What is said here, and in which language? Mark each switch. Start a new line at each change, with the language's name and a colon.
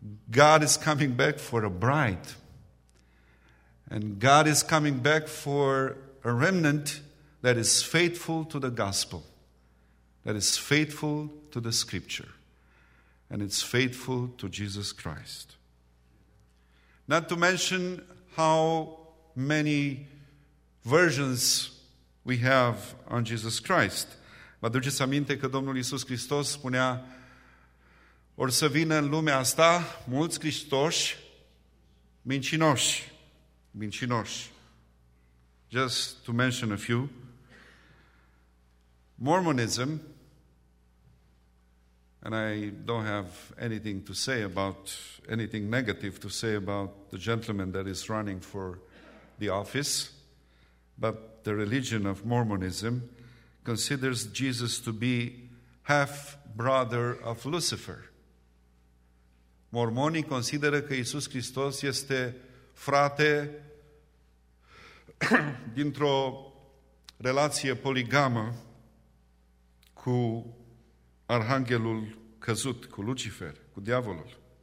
English: God is coming back for a bride. And God is coming back for a remnant that is faithful to the gospel, that is faithful to the scripture, and it's faithful to Jesus Christ. Not to mention how many versions we have on Jesus Christ.
Romanian: Vă aduceți aminte că Domnul Iisus Hristos spunea or să vină în lumea asta mulți Hristoși mincinoși. Mincinoși.
English: Just to mention a few. Mormonism, and I don't have anything to say about, anything negative to say about the gentleman that is running for the office, but the religion of Mormonism considers Jesus to be half-brother of Lucifer.
Romanian: Mormonii consideră că Iisus Hristos este frate dintr-o relație poligamă cu arhanghelul căzut, cu Lucifer, cu diavolul.